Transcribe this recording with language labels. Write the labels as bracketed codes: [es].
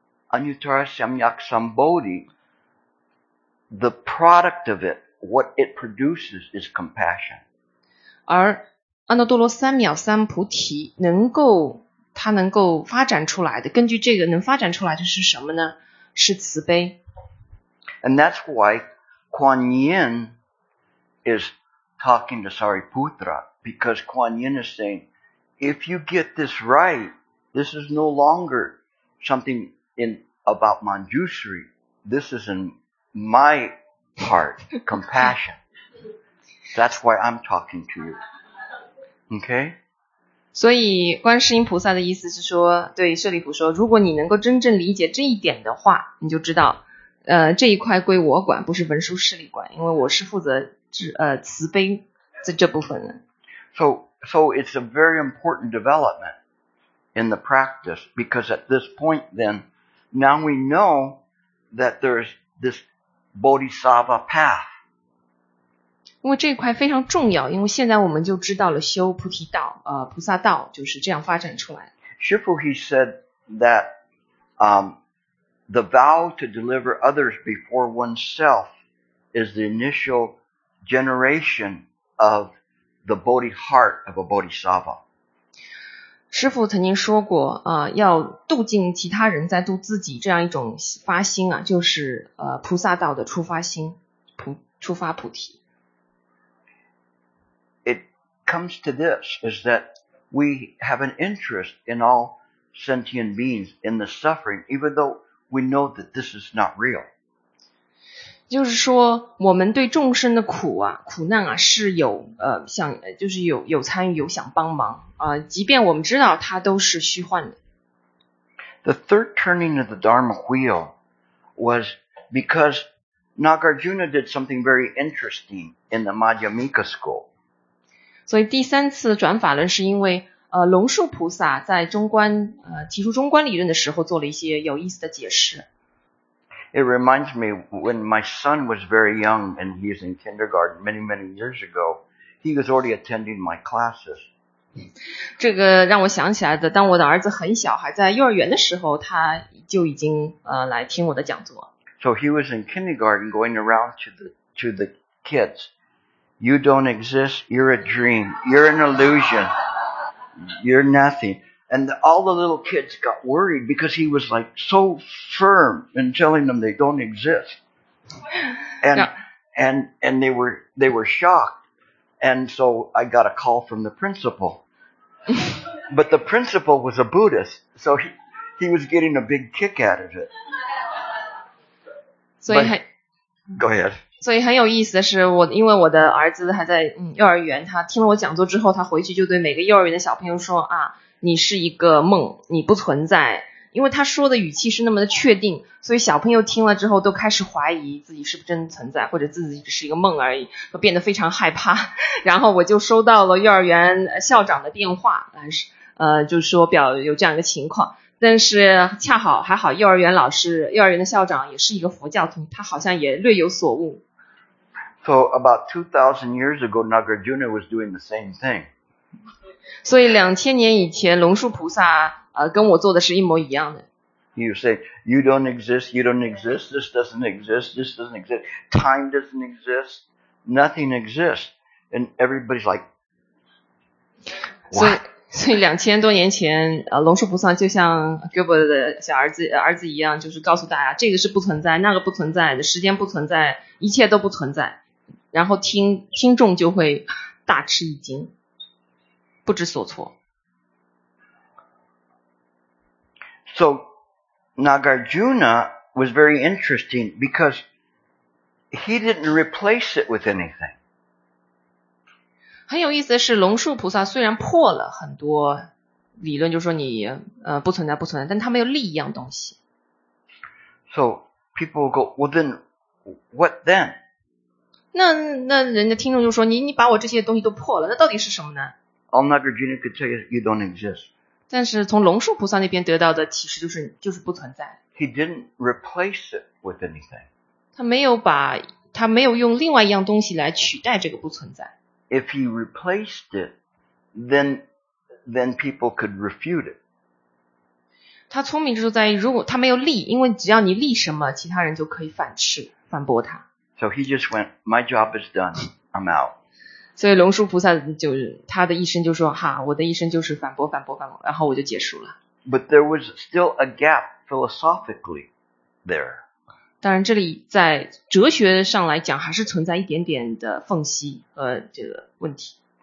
[en] Anuttara Samyak Sambodhi, the product of it, what it produces is compassion. [zh] 而阿耨多罗三藐三菩提能够发展出来的，根据这个能发展出来的是什么呢？是慈悲。 [en] And that's why Kuan Yin is. Talking to Sariputra, because Kuan Yin is saying, if you get this right, this is no longer something about Manjushri. This is in my heart, compassion. That's why I'm talking to you. Okay? [zh] 所以观世音菩萨的意思是说，对舍利弗说，如果你能够真正理解这一点的话，你就知道，这一块归我管，不是文殊师利管，因为我是负责慈悲在这部分的。 [en] So it's a very important development in the practice, because at this point then, now we know that there's this bodhisattva path. [zh] 因为这一块非常重要，因为现在我们就知道了修菩提道，菩萨道就是这样发展出来。 [en] Shifu, he said that, the vow to deliver others before oneself is the initial generation of the Bodhi heart of a Bodhisattva. [zh] 师父曾经说过，要度尽其他人再度自己，这样一种发心啊，就是菩萨道的出发心，出发菩提。 [en] It comes to this, is that we have an interest in all sentient beings in the suffering, even though we know that this is not real. [zh] 就是说，我们对众生的苦啊、苦难啊，是有想，就是有参与，有想帮忙啊，即便我们知道它都是虚幻的。 [en] The third turning of the Dharma wheel was because Nagarjuna did something very interesting in the Madhyamika school. [zh] 所以第三次转法轮是因为龙树菩萨在中观提出中观理论的时候做了一些有意思的解释。 [en] It reminds me when my son was very young and he's in kindergarten many, many years ago, he was already attending my classes. [zh] 这个让我想起来的，当我的儿子很小，还在幼儿园的时候，他就已经来听我的讲座。 [en] So he was in kindergarten going around to the kids. You don't exist. You're a dream. You're an illusion. You're nothing. And all the little kids got worried because he was like so firm in telling them they don't exist. And they were shocked. And so I got a call from the principal. But the principal was a Buddhist. So he was getting a big kick out of it. So he, go ahead. [zh] 所以很有意思的是我因为我的儿子还在幼儿园他听了我讲座之后他回去就对每个幼儿园的小朋友说啊你是一个梦你不存在因为他说的语气是那么的确定所以小朋友听了之后都开始怀疑自己是不是真的存在或者自己只是一个梦而已都变得非常害怕然后我就收到了幼儿园校长的电话就是说表有这样一个情况但是恰好还好幼儿园老师幼儿园的校长也是一个佛教徒他好像也略有所悟 [en] So about 2000 years ago Nagarjuna was doing the same thing [zh] 所以两千年以前龙树菩萨跟我做的是一模一样的。 [en] You say, you don't exist, you don't exist, this doesn't exist, this doesn't exist, time doesn't exist, nothing exists. And everybody's like, what? [zh] 所以两千多年前龙树菩萨就像 Gilbert 的小儿子一样就是告诉大家这个是不存在那个不存在的时间不存在一切都不存在。然后听众就会大吃一惊。不知所措。 [en] So Nagarjuna was very interesting because he didn't replace it with anything. [zh] 很有意思的是，龙树菩萨虽然破了很多理论，就是说你不存在不存在，但他没有立一样东西。 [en] So people will go, well then, what then? [zh] 那人家听众就说你把我这些东西都破了，那到底是什么呢？ [en] All Nagarjuna could tell you, you don't exist. [zh] 但是从龙树菩萨那边得到的启示就是不存在。 [en] He didn't replace it with anything. [zh] 他没有用另外一样东西来取代这个不存在。 [en] If he replaced it, then people could refute it. [zh] 他聪明之处在于，如果他没有立，因为只要你立什么，其他人就可以反驳他。 [en] So he just went, my job is done, I'm out. [zh] 所以龙树菩萨就是他的一生就说哈我的一生就是反驳反驳反驳然后我就结束了。 [en] But there was still a gap philosophically there. [zh] 当然这里在哲学上来讲还是存在一点点的缝隙和这个问题。